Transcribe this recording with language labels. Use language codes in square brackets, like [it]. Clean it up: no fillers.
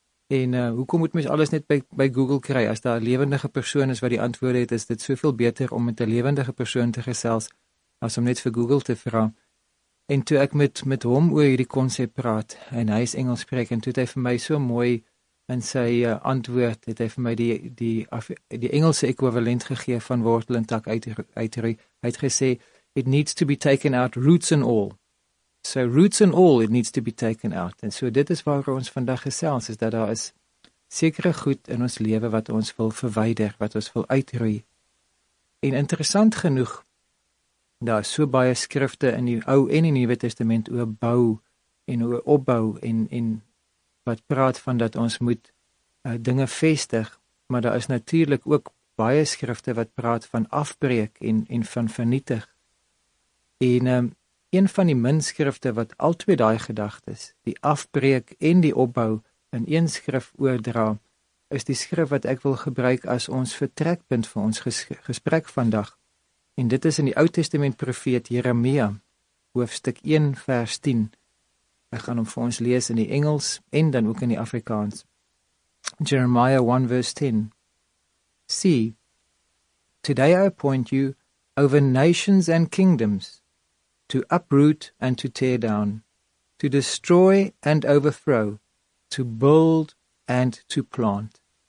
[af] En hoekom moet mens alles net by Google kry? As daar 'n lewendige persoon is wat die antwoorde het, is dit soveel beter om met 'n lewendige persoon te gesels as om net vir Google te vra. En toe ek met hom oor hierdie konsep praat, en hy is Engels spreek, en toe het hy vir my so mooi in sy antwoord, het hy vir my die Engelse ekwivalent gegee van wortel en tak uitroei. [en] Hy het gesê, it needs to be taken out, roots and all. So roots and all, it needs to be taken out. [af] En so dit is waar ons vandag gesels, is dat daar is sekere goed in ons lewe wat ons wil verwyder, wat ons wil uitroei. En interessant genoeg, daar is so baie skrifte in die Ou en die Nuwe Testament oor bou en oor opbou en wat praat van dat ons moet dinge vestig, maar daar is natuurlik ook baie skrifte wat praat van afbreek en van vernietig. En een van die min skrifte wat albei daai gedagtes, die afbreek en die opbou in een skrif oordra, is die skrif wat ek wil gebruik as ons vertrekpunt vir ons gesprek vandag. En dit is in die Ou Testament profeet Jeremia, hoofstuk 1 vers 10. Ek gaan hom vir ons lees in die Engels en dan ook in die Afrikaans. [en] Jeremiah 1 verse 10. See, today I appoint you over nations and kingdoms, to uproot and to tear down, to destroy and overthrow, to build and to plant.